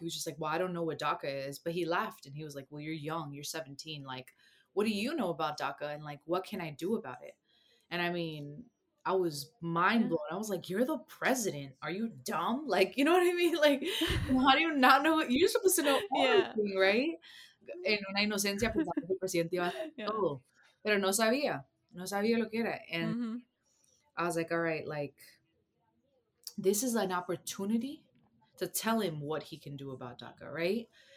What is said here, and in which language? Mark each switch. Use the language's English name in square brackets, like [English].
[English] He was just like, well, I don't know what DACA is. But he laughed and he was like, well, you're young, you're 17. Like, what do you know about DACA? And like, what can I do about it? And I mean, I was mind blown. I was like, you're the president. Are you dumb? Like, you know what I mean? Like, how do you not know what you're supposed to know? Everything, right? [Spanish] En una inocencia, pensaba que el presidente iba a hacer todo. Pero no sabía. No sabía lo que era. [English] And I was like, all right, like, this is an opportunity to tell him what he can do about DACA, right?